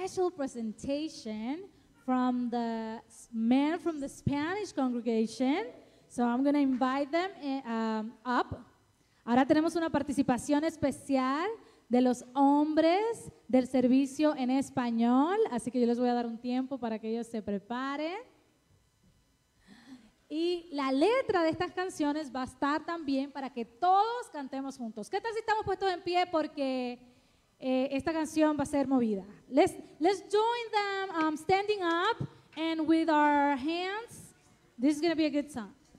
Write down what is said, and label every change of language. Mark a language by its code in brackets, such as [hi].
[en] Presentation from the men from the Spanish congregation. So I'm going to invite them up. [es] Ahora tenemos una participación especial de los hombres del servicio en español. Así que yo les voy a dar un tiempo para que ellos se preparen. Y la letra de estas canciones va a estar también para que todos cantemos juntos. ¿Qué tal si estamos puestos en pie? Porque esta canción va a ser movida. [en] Let's join them standing up and with our hands. This is going to be a good song.